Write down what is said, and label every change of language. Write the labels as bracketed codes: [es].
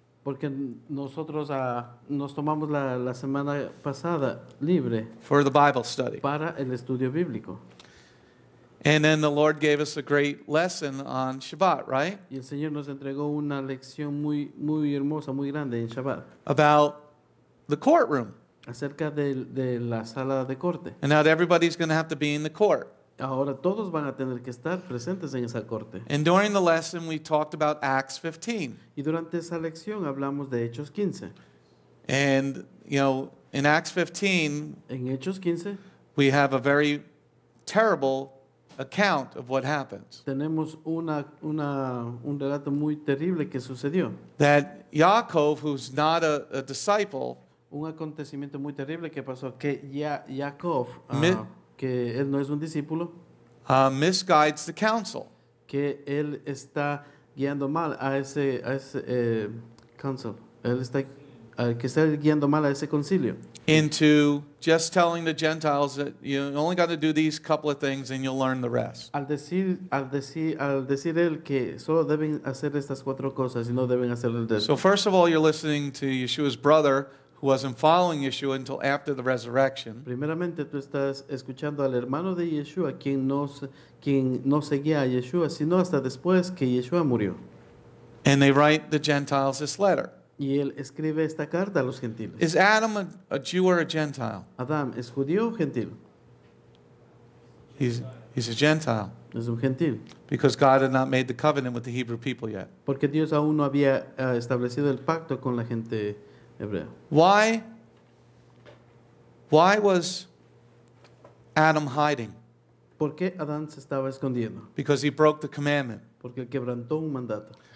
[es] Porque nosotros nos tomamos la semana pasada libre. [en] For the Bible study. [es] Para el estudio bíblico. [en] And then the Lord gave us a great lesson on Shabbat, right? [es] Y el Señor nos entregó una lección muy, muy hermosa, muy grande en Shabbat. [en] About the courtroom. [es] Acerca de la sala de corte. [en] And now everybody's going to have to be in the court. [es] Ahora todos van a tener que estar presentes en esa corte. [en] And during the lesson we talked about Acts 15. [es] Y durante esa lección hablamos de Hechos 15. [en] And, you know, in Acts 15, [es] en Hechos 15, [en] we have a very terrible account of what happens. [es] Tenemos un relato muy terrible que sucedió. [en] That Yaakov, who's not a disciple, [es] un acontecimiento muy terrible que pasó, que Yaakov, que él no es un discípulo, [en] misguides the council. [es] Que él está guiando mal a council. Él está que está guiando mal a ese concilio. [en] Into just telling the Gentiles that you only got to do these couple of things and you'll learn the rest. [es] Al decir él que solo deben hacer estas cuatro cosas y no deben hacer el resto. [en] So first of all, you're listening to Yeshua's brother, who wasn't following Yeshua until after the resurrection. [es] Primeramente, tú estás escuchando al hermano de Yeshua, quien no seguía a Yeshua, sino hasta después que Yeshua murió. [en] And they write the Gentiles this letter. [es] Y él escribe esta carta a los gentiles. [en] Is Adam a Jew or a Gentile? [es] Adam, ¿es judío o gentil? [en] He's a Gentile. [es] Es un gentil. [en] Because God had not made the covenant with the Hebrew people yet. [es] Porque Dios aún no había establecido el pacto con la gente. [en] Why was Adam hiding? [es] ¿Por qué Adán se estaba escondiendo? [en] Because he broke the commandment. [es] Porque quebrantó un mandato.